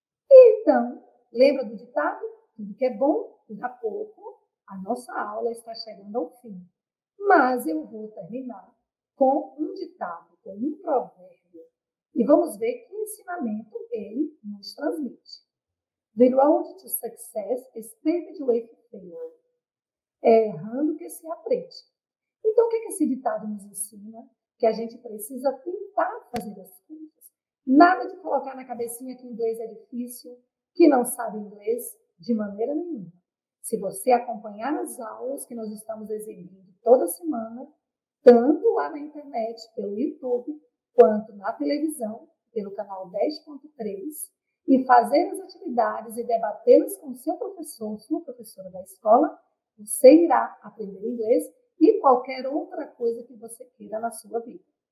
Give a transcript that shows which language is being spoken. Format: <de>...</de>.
<pt>E então, lembra do ditado? Tudo que é bom, dura pouco, A nossa aula está chegando ao fim, mas eu vou terminar com um ditado, com um provérbio, e vamos ver que ensinamento ele nos transmite.</pt> <en>The road to success is paved with failure.</en> <pt>É errando que se aprende. Então, o que esse ditado nos ensina? Que a gente precisa tentar fazer as coisas. Nada de colocar na cabecinha que inglês é difícil, que não sabe inglês de maneira nenhuma. Se você acompanhar as aulas que nós estamos exibindo toda semana, tanto lá na internet, pelo YouTube, quanto na televisão, pelo canal 10.3, e fazer as atividades e debatê-las com seu professor, sua professora da escola, você irá aprender inglês e qualquer outra coisa que você queira na sua vida.</pt>